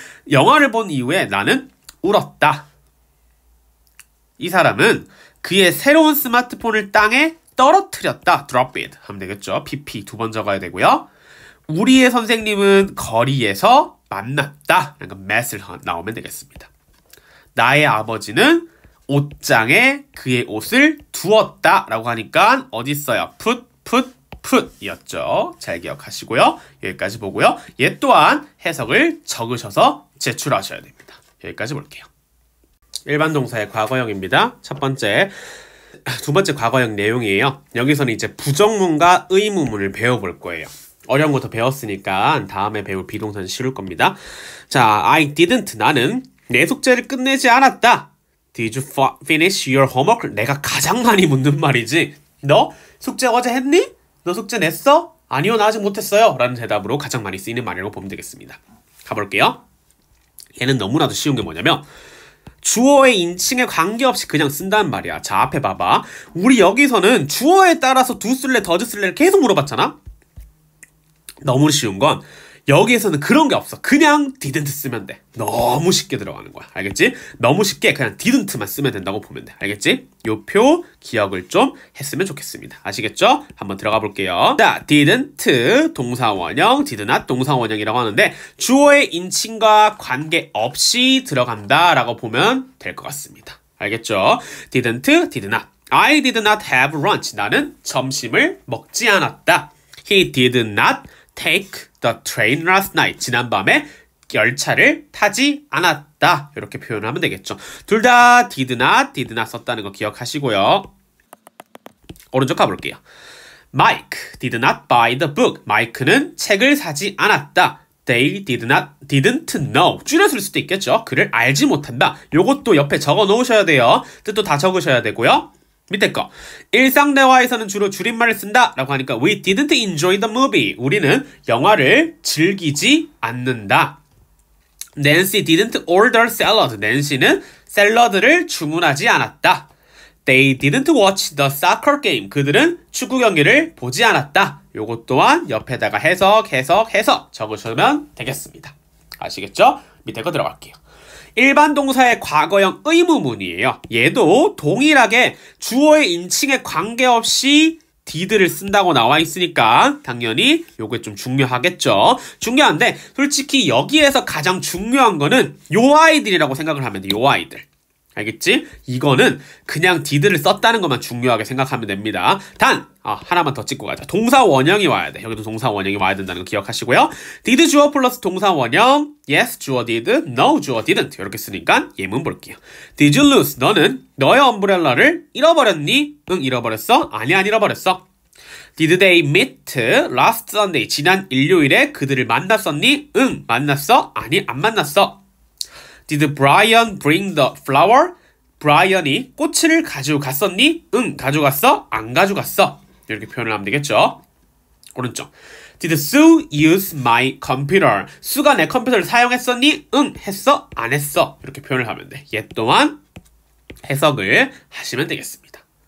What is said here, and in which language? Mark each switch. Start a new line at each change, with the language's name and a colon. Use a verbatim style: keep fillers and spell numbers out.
Korean: 영화를 본 이후에 나는 울었다. 이 사람은 그의 새로운 스마트폰을 땅에 떨어뜨렸다.
English: drop it
Korean: 하면 되겠죠. pp 두 번 적어야 되고요. 우리의 선생님은 거리에서 만났다. 그러니까 mat을 나오면 되겠습니다. 나의 아버지는 옷장에 그의 옷을 두었다. 라고 하니까 어디 있어요? put, put, put이었죠. 잘 기억하시고요. 여기까지 보고요. 얘 또한 해석을 적으셔서 제출하셔야 됩니다. 여기까지 볼게요. 일반 동사의 과거형입니다. 첫 번째, 두 번째 과거형 내용이에요. 여기서는 이제 부정문과 의문문을 배워볼 거예요. 어려운 것도 배웠으니까 다음에 배울 비동사는 쉬울 겁니다.
English: 자, I didn't.
Korean: 나는 내 숙제를 끝내지 않았다.
English: Did you fa- finish your homework?
Korean: 내가 가장 많이 묻는 말이지. 너 숙제 어제 했니? 너 숙제 냈어? 아니요, 나 아직 못했어요. 라는 대답으로 가장 많이 쓰이는 말이라고 보면 되겠습니다. 가볼게요. 얘는 너무나도 쉬운 게 뭐냐면, 주어의 인칭에 관계없이 그냥 쓴다는 말이야. 자, 앞에 봐봐. 우리 여기서는 주어에 따라서 do 쓸래, does 쓸래를 계속 물어봤잖아? 너무 쉬운 건 여기에서는 그런 게 없어. 그냥 didn't 쓰면 돼. 너무 쉽게 들어가는 거야. 알겠지? 너무 쉽게 그냥 didn't만 쓰면 된다고 보면 돼. 알겠지? 요 표 기억을 좀 했으면 좋겠습니다. 아시겠죠? 한번 들어가 볼게요. 자, didn't 동사원형, did not 동사원형이라고 하는데, 주어의 인칭과 관계없이 들어간다 라고 보면 될 것 같습니다. 알겠죠?
English: didn't, did not. I did not have lunch.
Korean: 나는 점심을 먹지 않았다.
English: He did not take the train last night.
Korean: 지난밤에 열차를 타지 않았다. 이렇게 표현하면 되겠죠. 둘 다 did not, did not 썼다는 거 기억하시고요. 오른쪽 가볼게요.
English: Mike did not buy the book.
Korean: 마이크는 책을 사지 않았다.
English: They did not, didn't know.
Korean: 줄여쓸 수도 있겠죠. 그를 알지 못한다. 요것도 옆에 적어 놓으셔야 돼요. 뜻도 다 적으셔야 되고요. 밑에 거. 일상 대화에서는 주로 줄임말을 쓴다 라고 하니까
English: We didn't enjoy the movie.
Korean: 우리는 영화를 즐기지 않는다.
English: Nancy didn't order salad.
Korean: 낸시는 샐러드를 주문하지 않았다.
English: They didn't watch the soccer game.
Korean: 그들은 축구 경기를 보지 않았다. 요것 또한 옆에다가 해석, 해석, 해석 적으시면 되겠습니다. 아시겠죠? 밑에 거 들어갈게요. 일반 동사의 과거형 의무문이에요. 얘도 동일하게 주어의 인칭에 관계없이 did를 쓴다고 나와 있으니까 당연히 요게 좀 중요하겠죠. 중요한데 솔직히 여기에서 가장 중요한 거는 요 아이들이라고 생각을 하면 돼. 요 아이들. 알겠지? 이거는 그냥 did를 썼다는 것만 중요하게 생각하면 됩니다. 단! 아, 하나만 더 찍고 가자. 동사 원형이 와야 돼. 여기도 동사 원형이 와야 된다는 거 기억하시고요. did 주어 플러스 동사 원형 yes 주어 did, no 주어 didn't 이렇게 쓰니까 예문 볼게요.
English: Did you lose?
Korean: 너는 너의 엄브렐라를 잃어버렸니? 응, 잃어버렸어? 아니, 안 잃어버렸어.
English: Did they meet last Sunday?
Korean: 지난 일요일에 그들을 만났었니? 응, 만났어? 아니, 안 만났어.
English: Did Brian bring the flower?
Korean: 브라이언이 꽃을 가지고 갔었니? 응, 가져갔어? 안 가져갔어? 이렇게 표현을 하면 되겠죠. 오른쪽.
English: Did Sue use my computer?
Korean: Sue가 내 컴퓨터를 사용했었니? 응, 했어? 안 했어? 이렇게 표현을 하면 돼. 얘 또한 해석을 하시면 되겠습니다.